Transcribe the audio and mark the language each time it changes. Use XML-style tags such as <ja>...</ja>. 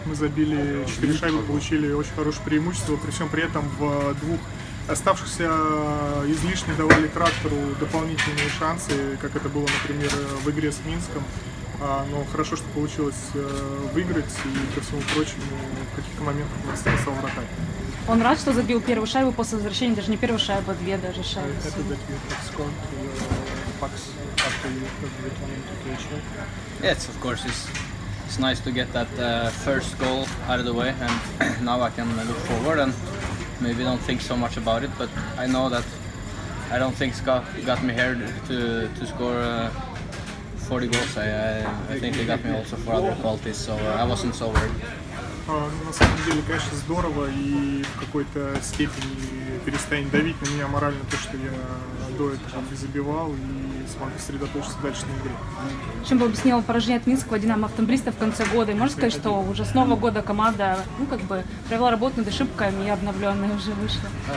<ru>Мы забили 4 шайбы, получили очень хорошее преимущество. При всем при этом в двух оставшихся излишне давали Трактору дополнительные шансы, как это было, например, в игре с Минском. Но хорошо, что получилось выиграть, и, ко всему прочему, в каких-то моментах нас спасал вратарь. Он рад, что забил первую шайбу после возвращения, даже не первую шайбу, а две даже шайбы. Это такие сколки, пакс, как-то в этом моменте кричал.</ru> <en>Yes, of course, it's nice to get that first goal out of the way, and now I can look forward and maybe don't think so much about it, but I know that I don't think Scott got me here to score 40 goals. I think they got me also for other qualities, so I wasn't so worried.</en> <ru>На самом деле, конечно, здорово и в какой-то степени перестанет давить на меня морально то, что я до этого не забивал и смог сосредоточиться дальше на игре. Чем бы объяснило поражение от Минского «Динамо» Автомобилиста в конце года? И можно сказать, что уже с нового года команда, ну, как бы, провела работу над ошибками и обновленная уже вышла?</ru>